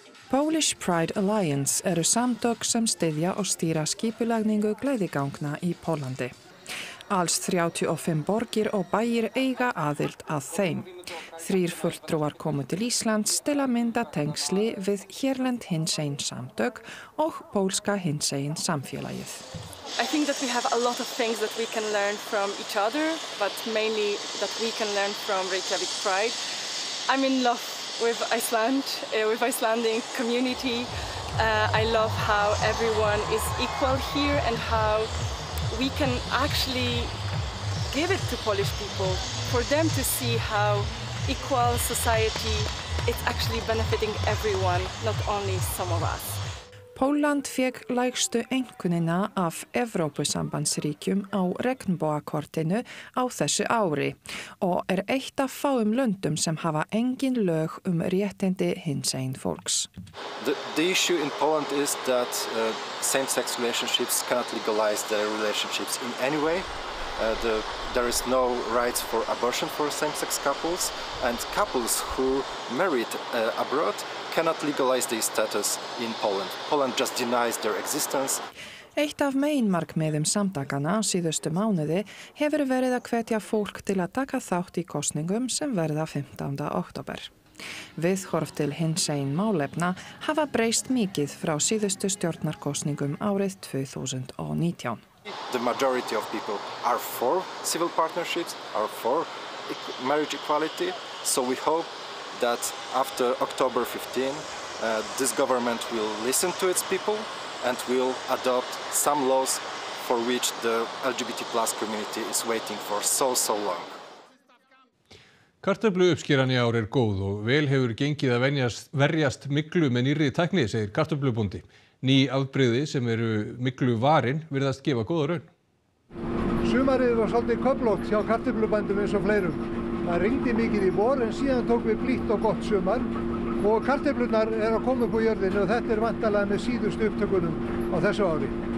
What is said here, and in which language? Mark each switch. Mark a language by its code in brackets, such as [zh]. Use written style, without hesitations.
[is] Polish Pride Alliance eru samtök sem styðja og stýra skipulagningu gleðigangna í Pólandi. Alls 35 borgir og bæir eiga aðild að þeim. Þrír fulltrúar komu til Íslands til að mynda tengsli við hérlend hinsegin samtök og pólska hinsegin samfélagið. [en] I think that we have a lot of things that we can learn from each other, but mainly that we can learn from Reykjavik Pride. I'm in love with Iceland, with Icelandic community. I love how everyone is equal here and how we can actually give it to Polish people for them to see how equal society is actually benefiting everyone, not only some of us. [is] Pólland fékk lægstu einkunnina af Evrópusambandsríkjum á regnbogakortinu á þessu ári og eitt af fáum löndum sem hafa engin lög réttindi hinsegin fólks. [en] The issue in Poland is that same-sex relationships cannot legalize their relationships in any way. There is no rights for abortion for same-sex couples and couples who married abroad cannot legalize their status in Poland. Poland just denies their existence. [is] Eitt af meginmarkmiðum samtakana síðustu mánuði hefur verið að hvetja fólk til að taka þátt í kosningum sem verða 15. Október. Viðhorf til hinsegin málefna hafa breyst mikið frá síðustu stjórnarkosningum árið 2019. [en] The majority of people are for civil partnerships, are for marriage equality, so we hope that after October 15, this government will listen to its people and will adopt some laws for which the LGBT plus community is waiting for so long. [is] Kartöflu uppskeran í ár góð og vel hefur gengið að verjast miklu með nýrri tækni, segir kartöflubóndi. Ný afbrigði sem eru miklu varin virðast gefa góða raun. Sumarið var svolítið köflótt hjá kartöflubændum eins og fleirum. Það rigndi mikið í vor en síðan tók við blítt og gott sumar og kartöflurnar eru að koma upp á jörðinu og þetta væntanlega með síðustu upptökunum á þessu ári.